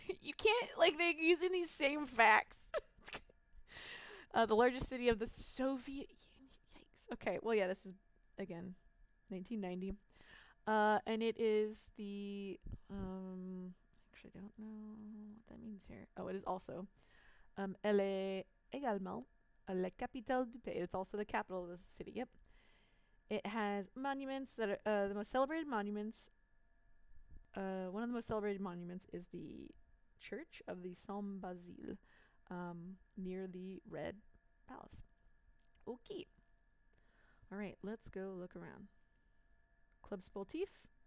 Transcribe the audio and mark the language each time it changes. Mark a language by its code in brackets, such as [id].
[en] You can't, like, they're using these same facts. the largest city of the Soviet Union. Yikes. Okay, well, yeah, this is, again, 1990. And it is the, actually, I don't know what that means here. Oh, it is also, [fr] elle est également la capitale du pays. [en] It's also the capital of the city, yep. It has monuments that are the most celebrated monuments. One of the most celebrated monuments is the Church of the Saint-Basile near the Red Palace. Okay. All right, let's go look around. Club Sportif.